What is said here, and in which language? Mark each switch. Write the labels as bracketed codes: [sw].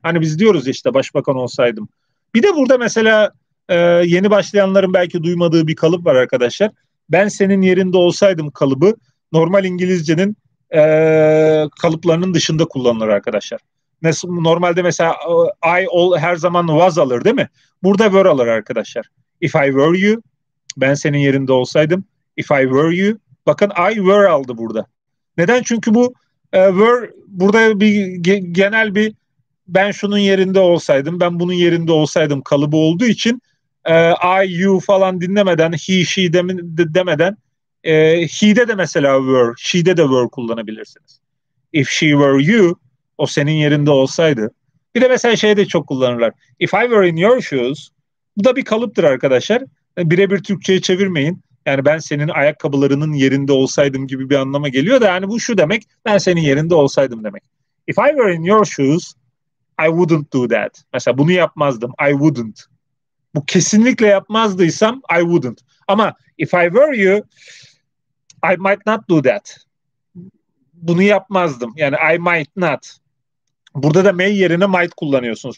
[tr] Hani biz diyoruz işte başbakan olsaydım. Bir de burada mesela yeni başlayanların belki duymadığı bir kalıp var arkadaşlar. Ben senin yerinde olsaydım kalıbı normal İngilizcenin kalıplarının dışında kullanılır arkadaşlar. Normalde mesela her zaman was alır değil mi? Burada were alır arkadaşlar. [en] If I were you, [tr] ben senin yerinde olsaydım. [en] If I were you, [tr] bakın [en] I were [tr] aldı burada. Neden? Çünkü bu were burada bir genel bir ben şunun yerinde olsaydım, ben bunun yerinde olsaydım kalıbı olduğu için I, you falan dinlemeden, he, she demeden he'de de mesela were, she'de de were kullanabilirsiniz. [en] If she were you, [tr] o senin yerinde olsaydı. Bir de mesela şeyi de çok kullanırlar: [en] If I were in your shoes. [tr] Bu da bir kalıptır arkadaşlar. Birebir Türkçe'ye çevirmeyin. Yani ben senin ayakkabılarının yerinde olsaydım gibi bir anlama geliyor da, yani bu şu demek: ben senin yerinde olsaydım demek. [en] If I were in your shoes, I wouldn't do that. [tr] Mesela bunu yapmazdım. [en] I wouldn't. [tr] Bu kesinlikle yapmazdıysam [en] I wouldn't. [tr] Ama [en] if I were you, I might not do that. [tr] Bunu yapmazdım. Yani [en] I might not. [tr] Burada da may yerine might kullanıyorsunuz.